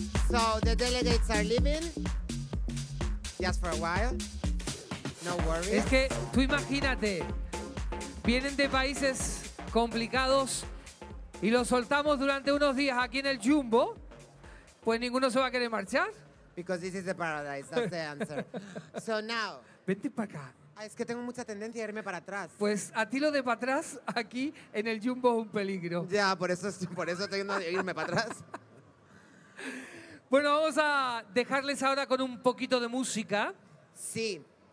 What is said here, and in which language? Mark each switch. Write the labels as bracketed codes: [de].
[en] So the delegates are leaving. Just for a while. No worries. [es] Es que tú imagínate, vienen de países complicados y los soltamos durante unos días aquí en el Jumbo, pues ninguno se va a querer marchar. [en] Because this is the paradise, that's the answer. So now. [es] Vente para acá. Es que tengo mucha tendencia a irme para atrás. Pues a ti lo de para atrás aquí en el Jumbo es un peligro. Ya, por eso tengo que irme para atrás. Bueno, vamos a dejarles ahora con un poquito de música. Sí.